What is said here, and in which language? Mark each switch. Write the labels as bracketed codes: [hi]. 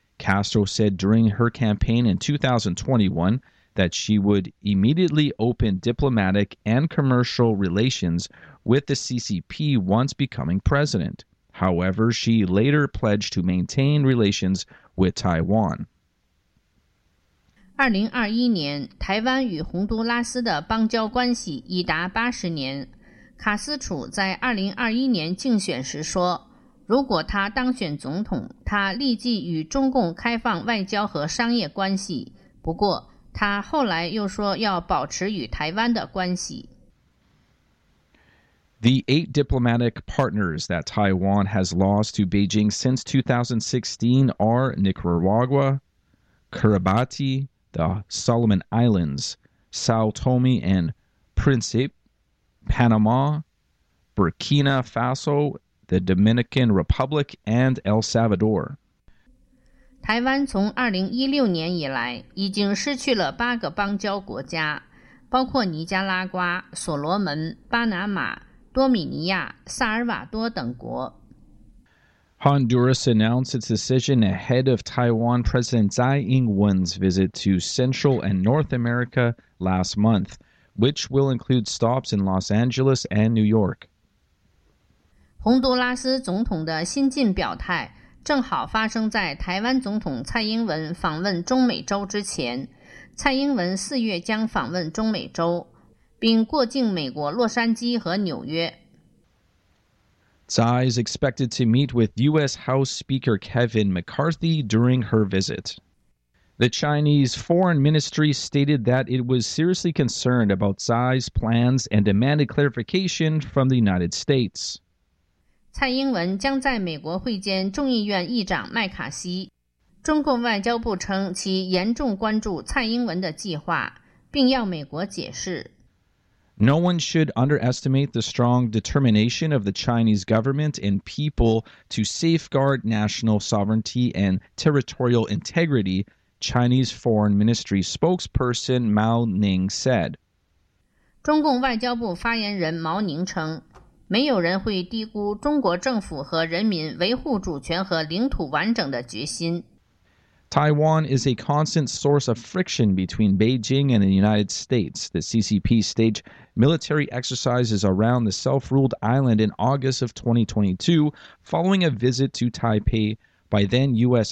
[en] Castro said during her campaign in 2021 that she would immediately open diplomatic and commercial relations with the CCP once becoming president. However, she later pledged to maintain relations with Taiwan. [zh] 2021年，台湾与洪都拉斯的邦交关系已达80年。卡斯楚在2021年竞选时说，如果他当选总统，他立即与中共开放外交和商业关系。不过，他后来又说要保持与台湾的关系。 [en] The 8 diplomatic partners that Taiwan has lost to Beijing since 2016 are Nicaragua, Kiribati, the Solomon Islands, Sao Tome and Principe, Panama, Burkina Faso, the Dominican Republic, and El Salvador. [zh] 台湾从2016年以来已经失去了八个邦交国家，包括尼加拉瓜、所罗门、巴拿马、多米尼亚、萨尔瓦多等国。 [en] Honduras announced its decision ahead of Taiwan President Tsai Ing-wen's visit to Central and North America last month, which will include stops in Los Angeles and New York. [zh] 洪都拉斯总统的新近表态正好发生在台湾总统蔡英文访问中美洲之前。蔡英文四月将访问中美洲，并过境美国洛杉矶和纽约。 [en] Tsai is expected to meet with U.S. House Speaker Kevin McCarthy during her visit. The Chinese Foreign Ministry stated that it was seriously concerned about Tsai's plans and demanded clarification from the United States. [zh] 蔡英文将在美国会见众议院议长麦卡锡。中共外交部称其严重关注蔡英文的计划，并要美国解释。 [en] No one should underestimate the strong determination of the Chinese government and people to safeguard national sovereignty and territorial integrity, Chinese Foreign Ministry spokesperson Mao Ning said. [zh] 中共外交部发言人毛宁称，没有人会低估中国政府和人民维护主权和领土完整的决心。 [en] Taiwan is a constant source of friction between Beijing and the United States. The CCP staged military exercises around the self-ruled island in August of 2022, following a visit to Taipei by then-U.S.